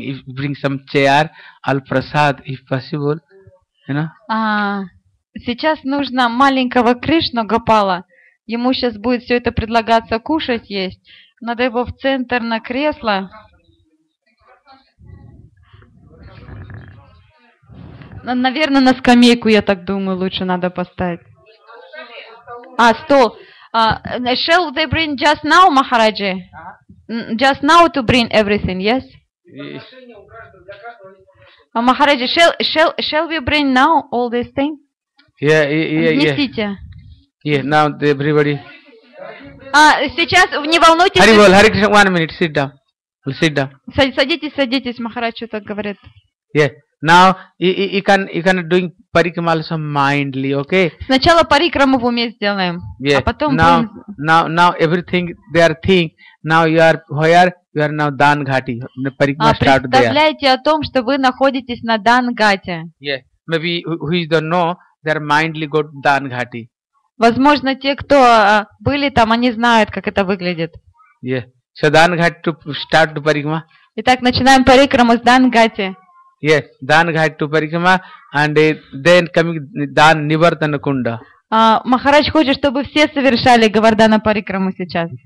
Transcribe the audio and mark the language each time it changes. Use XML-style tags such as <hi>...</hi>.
<en>If bring some chair, al prasad, if possible, you know.</en> <ru>Сейчас нужно маленького Кришну Гопала. Ему сейчас будет все это предлагаться кушать есть. Надо его в центр на кресло. Наверное, на скамейку, я так думаю, лучше надо поставить. Стол.</ru> <en>Shall they bring just now, Maharaji? Just now to bring everything, yes? Maharaji, shall we bring now all these things? Yeah.</en> <ru>Несите.</ru> <en>Yeah, now everybody.</en> <ru>Сейчас, не волнуйтесь.</ru> <en>Hare Krishna, 1 minute, sit down.</en> <ru>Садитесь, Махараджи так говорит.</ru> <en>Yeah. Now you can doing parikrama also mindly, okay?</en> <ru>Сначала парикраму в уме сделаем,</ru> <en>yeah.</en> <ru>А потом</ru> <en>now everything they are think. Now you are now Dan Ghati. Parikrama start there.</en> <ru>Представляете о том, что вы находитесь на Dan Ghati.</ru> <en>Yeah. Maybe who is the know, they are mindly go to Dan Ghati.</en> <ru>Возможно, те, кто были там, они знают, как это выглядит.</ru> <en>Yeah. So Dan Ghati to start to parikrama.</en> <ru>Итак, начинаем парикраму с Dan Ghati.</ru> <en>Yes, Dan Ghat to Parikrama and then coming Dan Nivartana Kunda.</en> <ru>Махарадж хочет, чтобы все совершали Говардана Парикраму сейчас.</ru>